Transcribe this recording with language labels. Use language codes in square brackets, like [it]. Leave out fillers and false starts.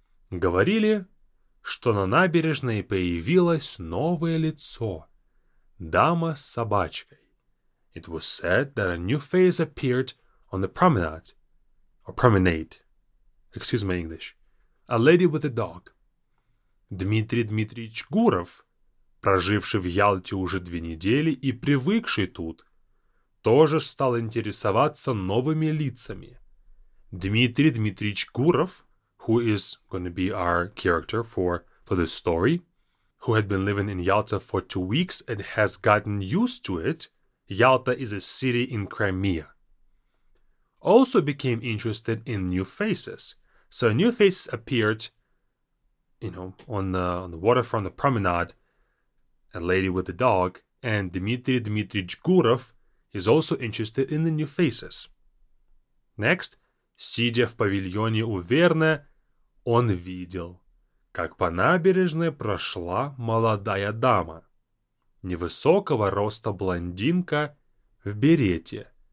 [ru] Говорили, что на набережной появилось новое лицо. Дама с собачкой. [en] It was said that a new face appeared on the promenade. Or promenade. Excuse my English. A lady with a dog. [ru] Дмитрий Дмитриевич Гуров, проживший в Ялте уже 2 недели и привыкший тут, тоже стал интересоваться новыми лицами. [en] Дмитрий Дмитриевич Гуров, who is going to be our character for this story, who had been living in Yalta for 2 weeks and has gotten used to it, Yalta is a city in Crimea, also became interested in new faces. So new faces appeared, you know, on the waterfront, the promenade, a lady with a dog, and Dmitrий Дмитриевич Гуров is also interested in the new faces. Next. [ru] Сидя в павильоне у Верне, он видел, как по набережной прошла молодая дама, невысокого роста блондинка в берете.